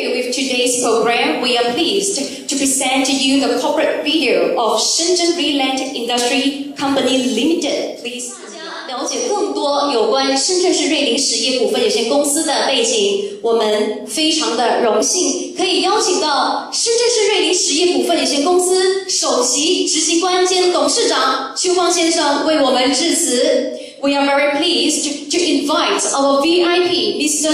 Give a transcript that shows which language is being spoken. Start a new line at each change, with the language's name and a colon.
English: Today's program, we are pleased to present to you the corporate video of Shenzhen Realand Industry Company Limited. Please.
Chinese: 大家了解更多有关深圳市瑞麟实业股份有限公司的背景，我们非常的荣幸可以邀请到深圳市瑞麟实业股份有限公司首席执行官兼董事长邱光先生为我们致辞。
English: We are very pleased to invite our VIP, Mr.